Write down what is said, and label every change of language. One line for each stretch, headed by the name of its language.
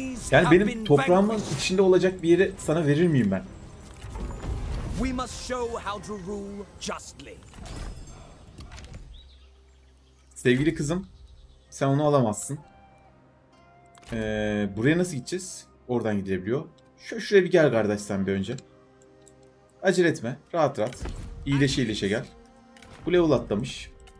Turkish: Yani benim toprağımın içinde olacak bir yeri sana verir miyim ben?
English: We must show how to rule justly.
Turkish: Sevgili kızım, sen onu alamazsın. Buraya nasıl gideceğiz? Oradan gidebiliyor. Şuraya bir gel kardeş sen bir önce. Acele etme, rahat rahat. İyileşe iyileşe gel. Bu level atlamış.